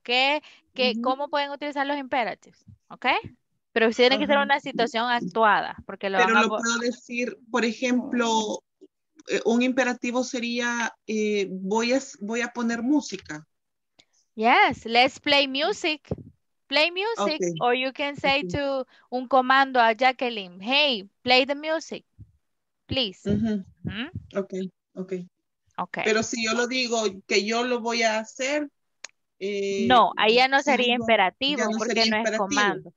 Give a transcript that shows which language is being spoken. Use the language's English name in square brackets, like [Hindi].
[Spanish] ¿Qué, mm-hmm. ¿Cómo pueden utilizar los imperatives? ¿Ok? Pero tiene que ser una situación actuada. Porque lo pero van a... lo puedo decir, por ejemplo, un imperativo sería, voy a poner música. [English] Yes, let's play music. Play music. Okay. Or you can say to [Spanish] un comando a [English] Jacqueline, hey, play the music, please. Okay. [Spanish] Pero si yo lo digo que yo lo voy a hacer, no, ahí ya no sería imperativo porque no es comando.